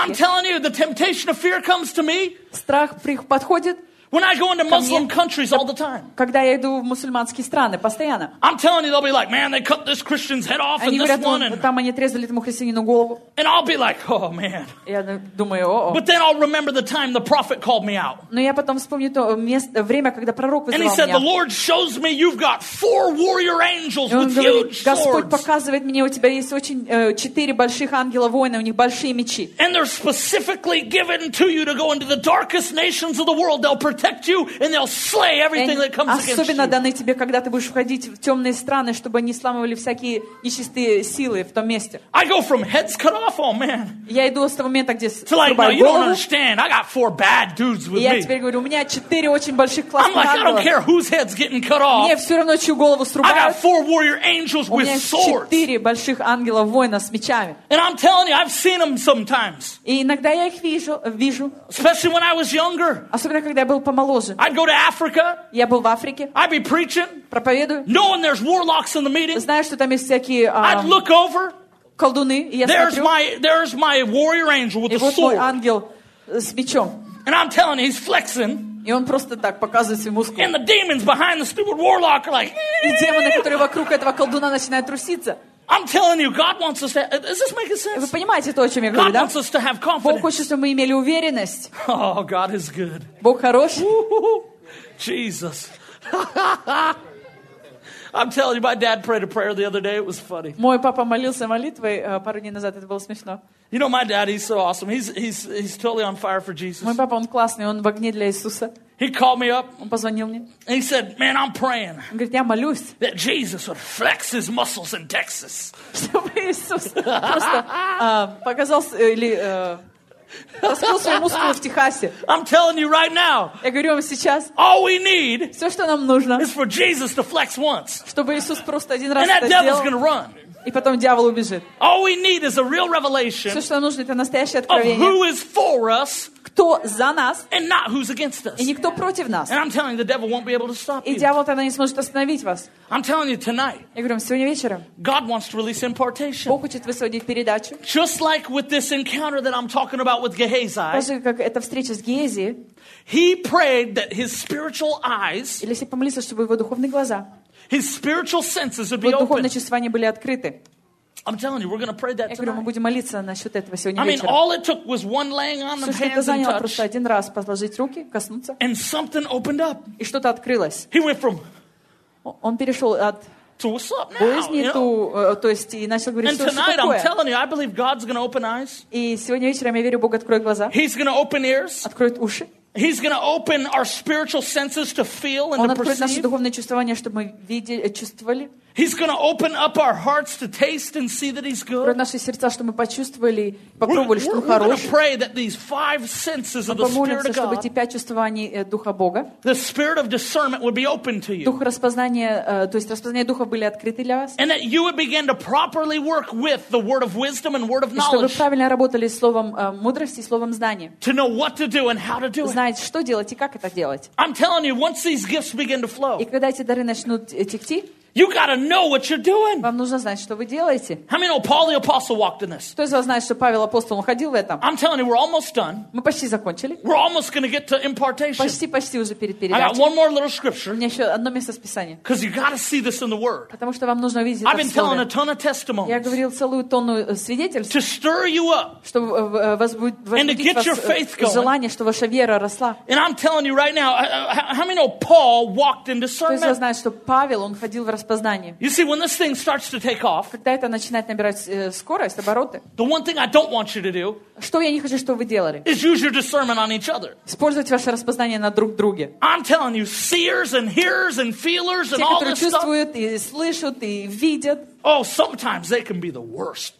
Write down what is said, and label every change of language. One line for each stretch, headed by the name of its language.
English: I'm telling you, the temptation of fear comes to me.
Russian: Страх подходит.
English: When I go into Muslim countries all the time.
Russian: Когда я иду в мусульманские страны постоянно.
English: I'm telling you, they'll be like, "Man, they cut this Christian's head off and this one."
Russian: Там они отрезали этому христианину голову.
English: And I'll be like, "Oh man."
Russian: Я думаю, о.
English: But then I'll remember the time the prophet called me out.
Russian: Но я потом вспомню то место, время, когда пророк вызвал меня.
English: And he said, "The Lord shows me you've got four warrior angels with huge swords."
Russian: Господь показывает мне, у тебя есть очень четыре больших ангела воина, у них большие мечи.
English: And they're specifically given to you to go into the darkest nations of the world. They'll protect you and they'll slay everything that comes against you.
Russian: Особенно даны тебе, когда ты будешь входить в темные страны, чтобы они сломывали всякие нечистые силы в том месте.
English: I go from heads cut off, oh man.
Russian: Я иду с того момента, где
English: to like, no, you don't understand. I got four bad dudes with me.
Russian: Я теперь говорю, у меня четыре очень больших классных ангела.
English: I'm like, I don't care whose head's getting cut off.
Russian: Мне все равно, чью голову срубают.
English: I got four warrior angels with swords.
Russian: У меня четыре больших ангела воина с мечами.
English: And I'm telling you, I've seen them sometimes.
Russian: И иногда я их вижу.
English: Especially when I was younger.
Russian: Особенно когда я был помоложе.
English: I'd go to Africa.
Russian: Я был в Африке.
English: I'd be preaching.
Russian: Проповедую.
English: Knowing there's warlocks in the meeting.
Russian: Знаю, что там есть всякие
English: I'd look over.
Russian: Колдуны. И я
English: there's
Russian: смотрю.
English: There's my warrior angel with
Russian: и
English: the
Russian: вот
English: sword.
Russian: Мой ангел с мечом.
English: And I'm telling you, he's flexing.
Russian: И он просто так показывает свои мускулы.
English: And the demons behind the stupid warlock are like.
Russian: И демоны, которые вокруг этого колдуна, начинают труситься.
English: I'm telling you, God wants us to. Does this make sense?
Russian: Вы понимаете то, о чем я говорю,
English: God
Russian: да?
English: God wants us to have confidence.
Russian: Бог хочет, чтобы мы имели уверенность.
English: Oh, God is good.
Russian: Бог хорош.
English: Jesus. I'm telling you, my dad prayed a prayer the other day. It was funny.
Russian: Мой папа молился молитвой пару дней назад. Это было смешно.
English: You know, my dad, he's so awesome. He's totally on fire for Jesus.
Russian: Мой папа, он классный. Он в огне для Иисуса.
English: He called me up.
Russian: Он позвонил мне.
English: And he said, "Man, I'm praying."
Russian: Он говорит, я молюсь.
English: That Jesus would flex his muscles in Texas.
Russian: Чтобы Иисус просто показал или раскрыл свои мускулы в Техасе.
English: I'm telling you right now.
Russian: Я говорю вам сейчас.
English: All we need.
Russian: Все, что нам нужно.
English: Is for Jesus to flex once.
Russian: Чтобы Иисус просто один раз это сделал.
English: And that devil's gonna run.
Russian: И потом дьявол убежит.
English: All we need is a real revelation.
Russian: Все, что нам нужно, это настоящее откровение.
English: Of who is for us.
Russian: кто за нас,
English: and not who's against us.
Russian: И никто против нас.
English: And I'm telling you, the devil won't be able to stop you.
Russian: И дьявол тогда не сможет остановить вас.
English: I'm telling you, tonight.
Russian: Я говорю вам, сегодня вечером.
English: God wants to release impartation.
Russian: Бог хочет высвободить передачу.
English: Just like with this encounter that I'm talking about with Gehazi.
Russian: Также как эта встреча с Гейзи.
English: He prayed that his spiritual eyes.
Russian: Или если помолиться, чтобы его духовные глаза.
English: His spiritual senses would be open.
Russian: Духовные чувства были открыты.
English: I'm telling you, we're going to pray that tonight.
Russian: Я говорю, мы будем молиться насчет этого сегодня вечером.
English: I mean, all it took was one laying on them hands and touch.
Russian: Просто один раз положить руки, коснуться.
English: And something opened up.
Russian: И что-то открылось.
English: He went from.
Russian: Он перешел от.
English: To what's up now?
Russian: Боязни,
English: you know?
Russian: То есть и начал говорить,
English: and
Russian: что такое.
English: And tonight, I'm telling you, I believe God's going to open eyes.
Russian: И сегодня вечером я верю, Бог откроет глаза.
English: He's going to open ears.
Russian: Откроет уши.
English: He's going to open our spiritual senses to feel and to perceive.
Russian: Он откроет наши духовные чувствования, чтобы мы видели, чувствовали.
English: He's going to open up our hearts to taste and see that he's good.
Russian: Откроет наши сердца, чтобы мы почувствовали, попробовали, что он хороший.
English: We're going to pray that these five senses of the Spirit of God.
Russian: Чтобы эти пять чувствований Духа Бога.
English: The spirit of discernment would be open to you.
Russian: Дух распознания, то есть распознание Духа были открыты для вас.
English: And that you would begin to properly work with the word of wisdom and word of knowledge.
Russian: Чтобы вы правильно работали с словом мудрости и словом знания.
English: To know what to do and how to do it.
Russian: Знать, что делать и как это делать.
English: I'm telling you, once these gifts begin to flow.
Russian: И когда эти дары начнут текти.
English: You gotta know what you're doing.
Russian: Вам нужно знать, что вы делаете.
English: How many know Paul the apostle walked in this?
Russian: Кто из вас знает, что Павел апостол ходил в этом?
English: I'm telling you, we're almost done.
Russian: Мы почти закончили.
English: We're almost gonna get to impartation.
Russian: Почти уже перед передачей.
English: I got one more little scripture.
Russian: У меня еще одно место из Писания.
English: Because you gotta see this in the Word.
Russian: Потому что вам нужно видеть это в Слове.
English: I've been telling a ton of testimonies.
Russian: Я говорил целую тонну свидетельств.
English: To stir you up.
Russian: Чтобы вас будет.
English: And to get your faith going.
Russian: Желание, чтобы ваша вера росла.
English: And I'm telling you right now, how many know Paul walked in discernment?
Russian: Кто из вас знает, что Павел он ходил в распознание.
English: You see, when this thing starts to take off,
Russian: когда это начинает набирать скорость, обороты,
English: the one thing I don't want you to do,
Russian: что я не хочу, чтобы вы делали,
English: is use your discernment on each other.
Russian: Использовать ваше распознание на друг друге.
English: I'm telling you, seers and hearers and feelers and all this stuff.
Russian: Те, которые чувствуют и слышат и видят.
English: Oh, sometimes they can be the worst.